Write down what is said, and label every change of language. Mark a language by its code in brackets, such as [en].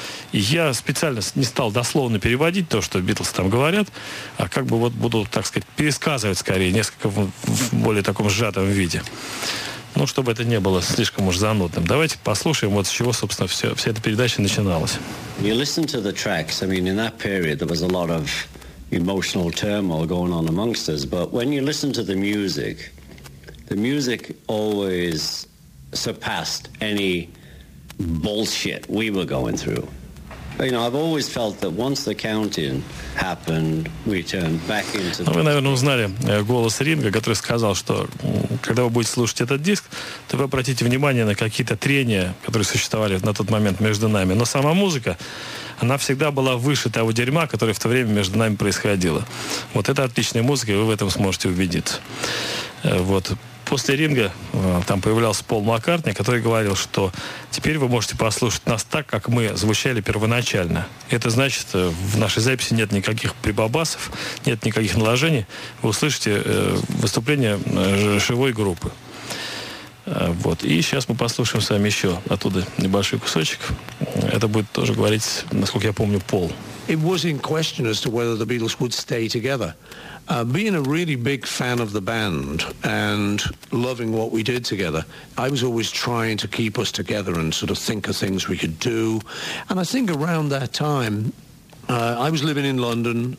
[ru] И я специально не стал дословно переводить то, что Beatles там говорят, а как бы вот буду, так сказать, пересказывать скорее, несколько в более таком сжатом виде. Ну, чтобы это не было слишком уж занудным. Давайте послушаем, вот с чего, собственно, вся эта передача начиналась. [en] You listen to the tracks. I mean, in that period there was a lot of emotional turmoil going on amongst us. But when you listen to the music always surpassed any bullshit we were going through. You know, I've always felt that once the counting happened, we turned back into the... [ru] Вы, наверное, узнали голос Ринга, который сказал, что когда вы будете слушать этот диск, то вы обратите внимание на какие-то трения, которые существовали на тот момент между нами. Но сама музыка, она всегда была выше того дерьма, которое в то время между нами происходило. Вот это отличная музыка, и вы в этом сможете убедиться. Вот. После Ринга там появлялся Пол Маккартни, который говорил, что теперь вы можете послушать нас так, как мы звучали первоначально. Это значит, в нашей записи нет никаких прибабасов, нет никаких наложений. Вы услышите выступление живой группы. Вот. И сейчас мы послушаем с вами еще оттуда небольшой кусочек. Это будет тоже говорить, насколько я помню, Пол. [en] It was in question as to whether the Beatles would stay together. Being a really big fan of the band and loving what we did together, I was always trying to keep us together and sort of think of things we could do. And I think around that time, I was living in London.